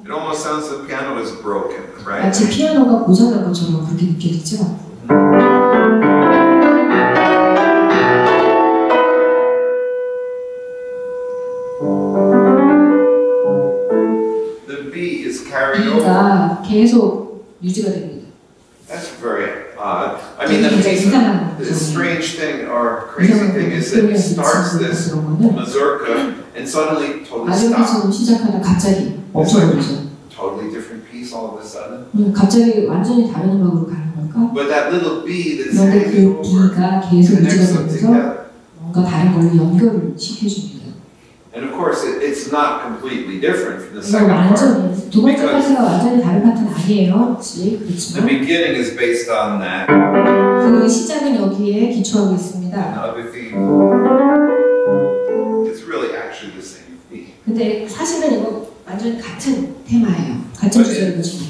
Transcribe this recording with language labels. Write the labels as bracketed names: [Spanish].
[English] It almost sounds like the piano is broken, right? [Korean] 마치 피아노가 고장난 것처럼 그렇게 느껴지죠? [English] The B is carried over. [Korean] B가 계속 유지가 됩니다. [English] That's very odd. I mean, the strange thing or crazy thing is that it starts this mazurka and suddenly totally stops. [Korean] 마지막처럼 시작하다 갑자기 없어지죠. [English] Totally different piece all of a sudden. [Korean] 갑자기 완전히 다른 음악으로 가는 걸까? [English] But that little B that's hanging over connects something else. [Korean] 뭔가 다른 걸 연결을 시켜줍니다. [English] And of course, it's not completely different from the second part. [Korean] 두 번째 파트가 완전히 다른 파트는 아니에요. 그렇지만 [English] the beginning is based on that. [Korean] 그 시작은 여기에 기초하고 있습니다. [English] Another theme. It's really actually the same theme. [Korean] 근데 사실은 이거 완전히 같은 테마예요. 같은 주제를 가지고.